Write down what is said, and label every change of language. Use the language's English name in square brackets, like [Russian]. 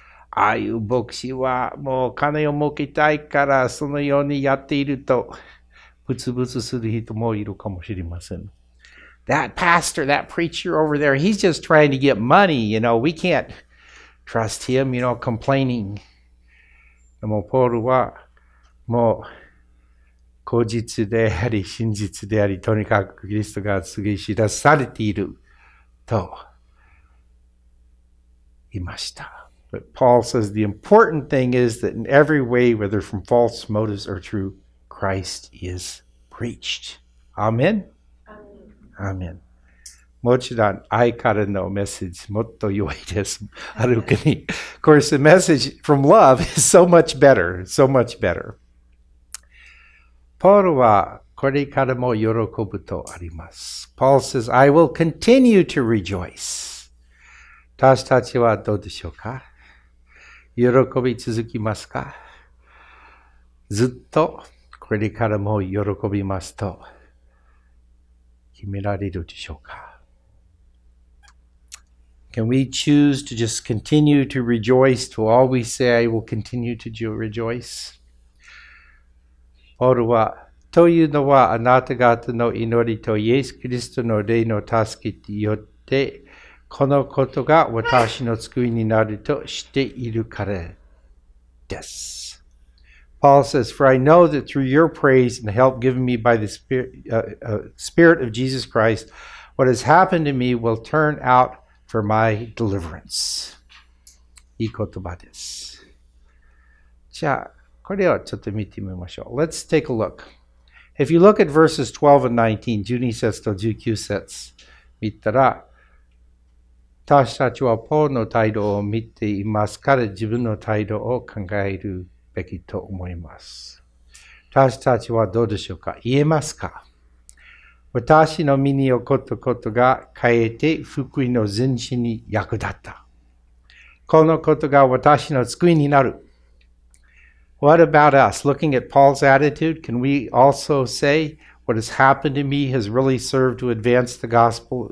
[Japanese] ああいう牧師はもう金を儲けたいからそのようにやっているとブツブツする人もいるかもしれません。 [English] That pastor, that preacher over there, he's just trying to get money, you know, we can't trust him, you know, complaining. [Japanese] でもポールはもう公実であり真実であり、とにかくキリストが告げ知らされていると言いました。 [English] But Paul says the important thing is that in every way, whether from false motives or true, Christ is preached. Amen? Amen. [Japanese] もちろん愛からのメッセージもっと良いです。 [English] あるかに。Of course, the message from love is so much better, so much better. [Japanese] Paul はこれからも喜ぶとあります。 [English] Paul says, I will continue to rejoice. [Japanese] 私たちはどうでしょうか?喜び続きますか? ずっとこれからも喜びますと決められるでしょうか? [English] Can we choose to just continue to rejoice to always say, I will continue to rejoice? [Japanese] ポールは、というのはあなた方の祈りとイエス・キリストの霊の助けによって、このことが私の救いになると知っているからです。 [English] Paul says, For I know that through your praise and help given me by the Spirit of Jesus Christ, what has happened to me will turn out for my deliverance. [Japanese] いい言葉です。じゃあ、これをちょっと見てみましょう。 [English] Let's take a look. If you look at verses 12 and 19, [Japanese] 12節と19節見たら、私たちはポーの態度を見ていますから自分の態度を考えるべきと思います。私たちはどうでしょうか？言えますか？私の身に起こったことがかえって福音の前進に役立った。このことが私の救いになる。 [English] What about us? Looking at Paul's attitude, can we also say what has happened to me has really served to advance the gospel?